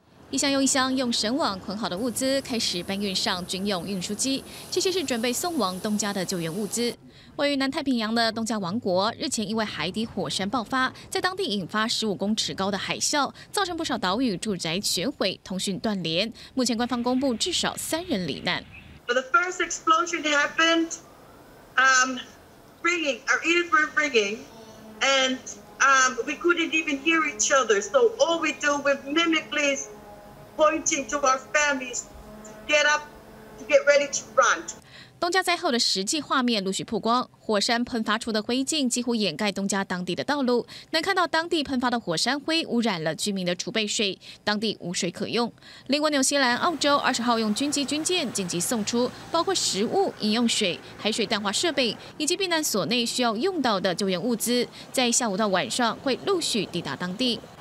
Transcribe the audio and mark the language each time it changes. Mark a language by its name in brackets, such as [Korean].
[Chinese] 一箱又一箱用绳网捆好的物资开始搬运上军用运输机，这些是准备送往东加的救援物资。位于南太平洋的东加王国日前因为海底火山爆发，在当地引发15公尺高的海啸，造成不少岛屿住宅全毁，通讯断联。目前官方公布至少3人罹难。 [English] But the first explosion happened, ringing. Our ears were ringing, and we couldn't even hear each other. So all we do with mimicry is pointing to our families to get up, to get ready to run. [Chinese] 东加灾后的实际画面陆续曝光，火山喷发出的灰烬几乎掩盖东加当地的道路，能看到当地喷发的火山灰污染了居民的储备水，当地无水可用。另外纽西兰、澳洲20号用军机、军舰紧急送出包括食物、饮用水、海水淡化设备以及避难所内需要用到的救援物资，在下午到晚上会陆续抵达当地。